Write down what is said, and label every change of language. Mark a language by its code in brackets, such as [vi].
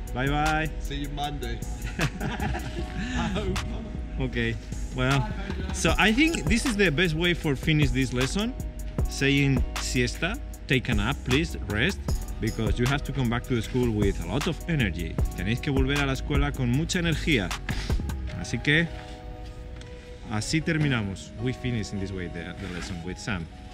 [en] Bye bye. See you Monday. I hope. Okay. Well, bye. So I think this is the best way for finish this lesson, saying siesta, take a nap, please, rest, because you have to come back to the school with a lot of energy. [es] Tenéis que volver a la escuela con mucha energía. Así que, así terminamos. [en] We finish in this way the lesson with Sam.